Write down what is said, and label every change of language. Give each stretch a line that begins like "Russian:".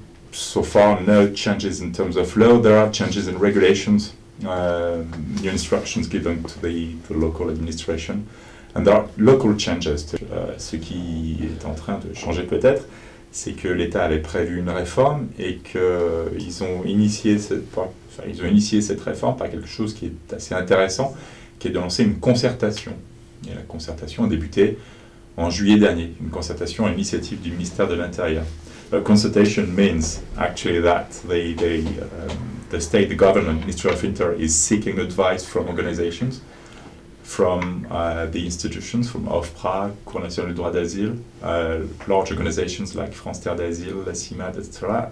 English: So far, no changes in terms of law. There are changes in regulations, new instructions given to the local administration, and there are local changes too.
French: Ce qui est en train de changer peut-être, c'est que l'État avait prévu une réforme et qu'ils ont initié cette réforme par quelque chose qui est assez intéressant, qui est de lancer une concertation. Et la concertation a débuté en juillet dernier, une concertation à l'initiative du ministère de l'Intérieur.
English: A consultation means actually that the state, the government, Ministry of Interior, is seeking advice from organizations, from the institutions, from OFPRA, Cour nationale du droit d'asile, large organizations like France Terre d'asile, La CIMAD, etc.